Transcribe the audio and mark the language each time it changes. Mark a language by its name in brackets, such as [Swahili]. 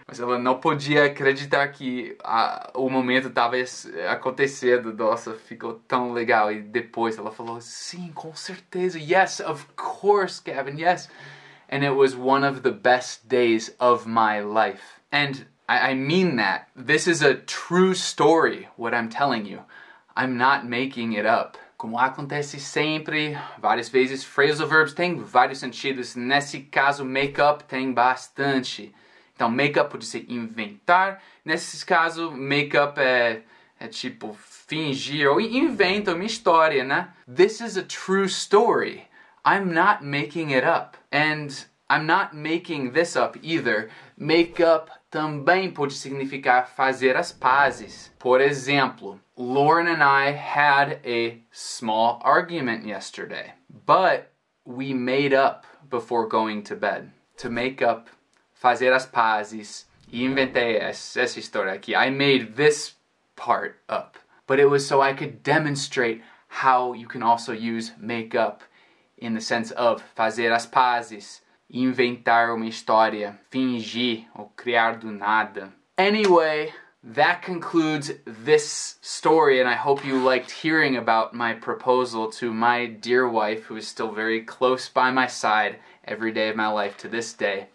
[Portuguese] Mas ela não podia acreditar que o momento tava acontecendo. Nossa, ficou tão legal. E depois ela falou, sim, com certeza. [English] Yes, of course, Gavin, yes. And it was one of the best days of my life. And I mean that. This is a true story, what I'm telling you. I'm not making it up. [Portuguese] Como acontece sempre, várias vezes, phrasal verbs têm vários sentidos. Nesse caso, make up tem bastante. Então, make up pode ser inventar. Nesse caso, make up é tipo fingir ou inventa uma história, né? [English] This is a true story. I'm not making it up. And I'm not making this up either. Make up [Portuguese] também pode significar fazer as pazes. Por exemplo, [English] Lauren and I had a small argument yesterday, but we made up before going to bed. [Portuguese] To make up, fazer as pazes, inventei essa história aqui. [English] I made this part up, but it was so I could demonstrate how you can also use make up in the sense of [Portuguese] fazer as pazes, inventar uma história, fingir ou criar do nada. [English] Anyway, that concludes this story, and I hope you liked hearing about my proposal to my dear wife, who is still very close by my side every day of my life to this day.